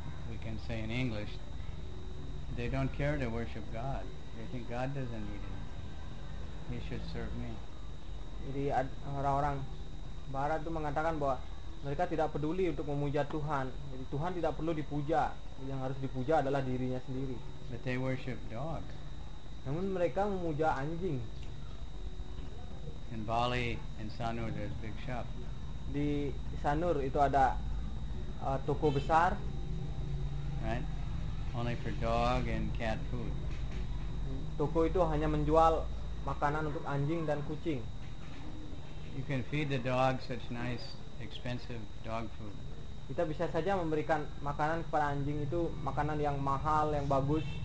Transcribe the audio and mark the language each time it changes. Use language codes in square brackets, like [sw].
[en] We can say in English, they don't care to worship God. They think God doesn't need anything. He should serve me. [id] Jadi orang-orang Barat itu mengatakan bahwa mereka tidak peduli untuk memuja Tuhan. Jadi Tuhan tidak perlu dipuja. Yang harus dipuja adalah dirinya sendiri. [en] But they worship dogs. [id] Namun mereka memuja anjing. [en] In Bali, in Sanur, there's big shop. [id] Di Sanur itu ada toko besar. [en] Right? Only for dog and cat food. [id] Toko itu hanya menjual makanan untuk anjing dan kucing. [en] You can feed the dog such nice expensive dog food. [id] Kita bisa saja memberikan makanan kepada anjing itu makanan yang mahal, yang bagus.